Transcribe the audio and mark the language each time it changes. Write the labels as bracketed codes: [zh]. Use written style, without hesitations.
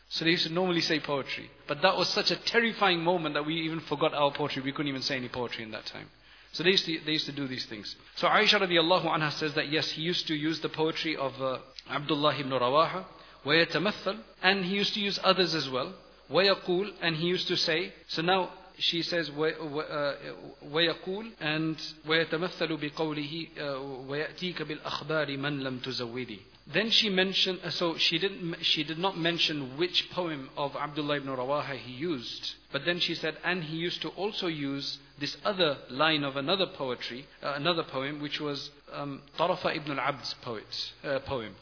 [en] So they used to normally say poetry. But that was such a terrifying moment that we even forgot our poetry. We couldn't even say any poetry in that time. So they used to do these things. So Aisha radiallahu anha says that yes, he used to use the poetry of Abdullah ibn Rawaha. [ar] وَيَتَمَثَّلُ. [en] And he used to use others as well. [ar] وَيَقُولُ. [en] And he used to say. So now she says, [ar] وَيَقُولُ and وَيَتَمَثَّلُ بِقَوْلِهِ وَيَأْتِيكَ بِالْأَخْبَارِ مَنْ لَمْ تُزَوِّدِ. [en] Then she mentioned, so she did not mention which poem of Abdullah ibn Rawaha he used. But then she said, and he used to also use this other line of another poetry, another poem, which was Tarafa ibn al-Abd's poem.